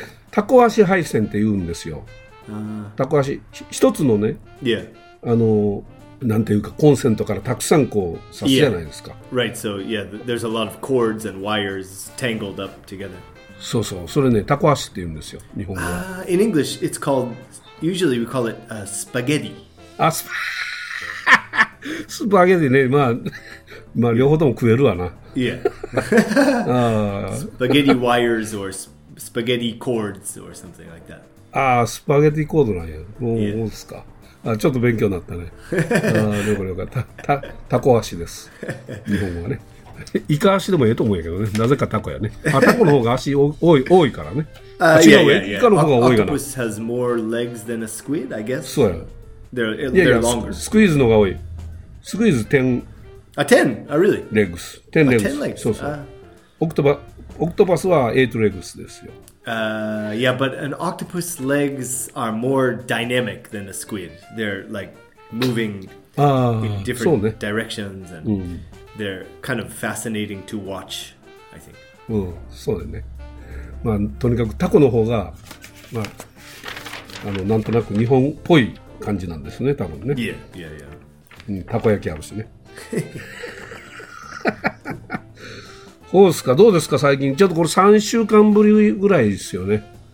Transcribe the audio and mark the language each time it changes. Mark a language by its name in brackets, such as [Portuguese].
[Japanese] タコ足配線って言うんですよ。タコ足一つのね、 [English] yeah. [Japanese] なんていうかコンセントからたくさんこう刺すじゃないですか。 [English] Yeah. Right, so yeah, there's a lot of cords and wires tangled up together. [Japanese] そうそう、それねタコ足って言うんですよ、日本語は。 [English] In English, it's called usually we call it a spaghetti. [Japanese] あ、スパゲティね、まあ両方とも食えるわな。 [English] Yeah. spaghetti wires or spaghetti cords or something like that. [Japanese] ああ、スパゲティコードなんや。もう、yeah. ですか。あ、ちょっと勉強になったね。ああ、よかった。タコ足です。日本語はね。イカ足でもええと思うんやけどね。なぜかタコやね。あ、タコの方が足多いからね。違う、 [English] yeah, yeah, yeah. [Japanese] イカの方が多いかな。 [English] Octopus has more legs than a squid, I guess. [Japanese] そうや。 [English] They're longer. [Japanese] スクイーズの方が多い。スクイーズ10。あ、10? あ、 [English] really? [Japanese] レッグス。10レッグス。そうそう。オクトパスは8レッグスですよ。 [English] Yeah, but an octopus legs are more dynamic than a squid. They're like moving in different、 [Japanese] ね、 [English] directions and、 [Japanese] う [English] ん、they're kind of fascinating to watch, I think. [Japanese] うん、そうだね。まあ、とにかくタコの方が、まあ、なんとなく日本っぽい感じなんですね、多分ね。 [English] Yeah, yeah, yeah. [Japanese] うん、タコ焼きあるしね。どうですか、どうですか最近。ちょっとこれ3週間ぶりぐらいですよね。